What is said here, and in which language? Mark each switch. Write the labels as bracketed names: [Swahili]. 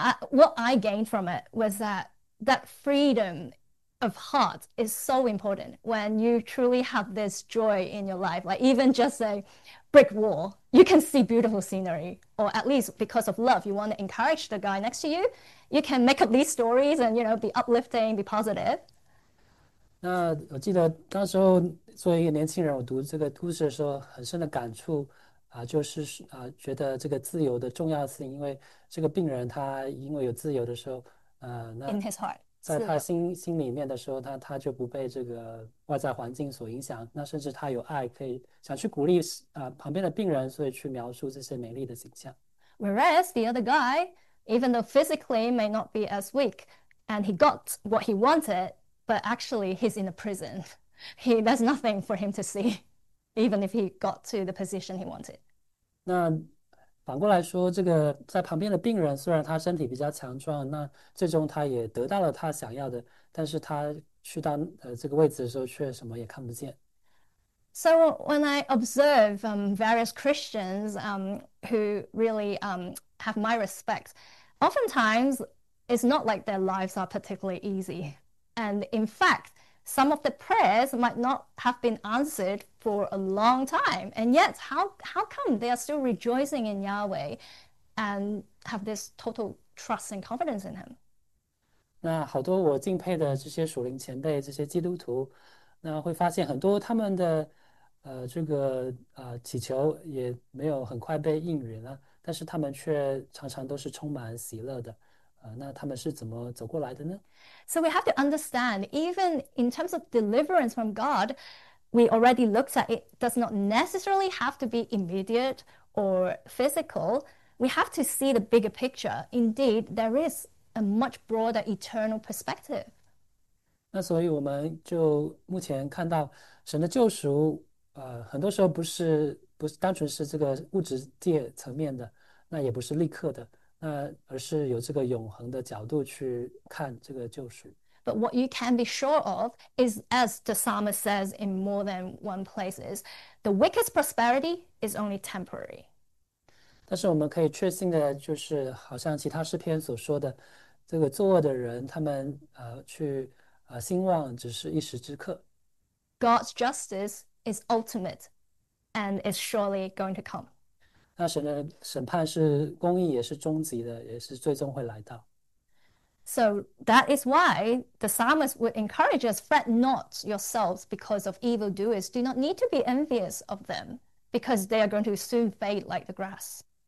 [English] What I gained from it was that freedom of heart is so important when you truly have this joy in your life. Like, even just a brick wall, you can see beautiful scenery, or at least because of love, you want to encourage the guy next to you. You can make up these stories and, be uplifting, be positive. [Chinese] 那我记得当时候作为一个年轻人，我读这个故事的时候，很深的感触就是觉得这个自由的重要性，因为这个病人他因为有自由的时候，那 [English] In his heart, 在自他由。 [Chinese] 心里面的时候，他就不被这个外在环境所影响，那甚至他有爱可以想去鼓励旁边的病人，所以去描述这些美丽的景象。 [English] Whereas the other guy, even though physically may not be as weak, and he got what he wanted, but actually he's in a prison. There's nothing for him to see, even if he got to the position he wanted. [Chinese] 那反过来说，这个在旁边的病人虽然他身体比较强壮，那最终他也得到了他想要的，但是他去到这个位置的时候却什么也看不见。 [English] So when I observe various Christians who really have my respect, oftentimes it's not like their lives are particularly easy. And in fact, some of the prayers might not have been answered for a long time. And yet, how come they are still rejoicing in Yahweh and have this total trust and confidence in him? [Chinese] 那好多我敬佩的这些属灵前辈，这些基督徒，那会发现很多他们的，这个祈求也没有很快被应允了，但是他们却常常都是充满喜乐的，那他们是怎么走过来的呢？ [English] So we have to understand, even in terms of deliverance from God, we already looked at it does not necessarily have to be immediate or physical. We have to see the bigger picture. Indeed, there is a much broader eternal perspective. [Chinese] 那所以我们就目前看到神的救赎，很多时候不是单纯是这个物质界层面的，那也不是立刻的，那而是有这个永恒的角度去看这个救赎。 [English] But what you can be sure of is, as the psalmist says in more than one places, the wicked's prosperity is only temporary. [Chinese] 但是我们可以确信的就是，好像其他诗篇所说的。这个作恶的人，他们去兴旺只是一时之刻。 [English] God's justice is ultimate and is surely going to come. [Chinese] 那神的审判是公义，也是终极的，也是最终会来到。 [English] So that is why the psalmist would encourage us, fret not yourselves because of evildoers. Do not need to be envious of them, because they are going to soon fade like the grass.